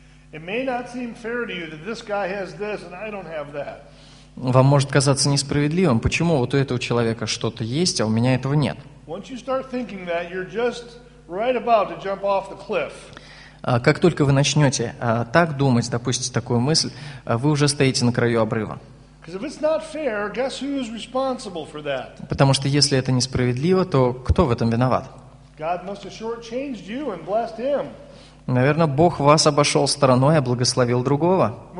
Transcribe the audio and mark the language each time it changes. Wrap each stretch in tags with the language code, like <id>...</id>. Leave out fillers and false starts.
<en>It may not seem fair to you that this guy has this and I don't have that.</en> <ru>Вам может казаться несправедливым, почему вот у этого человека что-то есть, а у меня этого нет.</ru> <en>Once you start thinking that, you're just right about to jump off the cliff.</en> <ru>Как только вы начнете так думать, допустим, такую мысль, вы уже стоите на краю обрыва.</ru> <en>Because if it's not fair, guess who's responsible for that?</en> <ru>Потому что если это несправедливо, то кто в этом виноват?</ru> <en>God must have shortchanged you and blessed him.</en> <ru>Наверное, Бог вас обошел стороной, а благословил другого.</ru>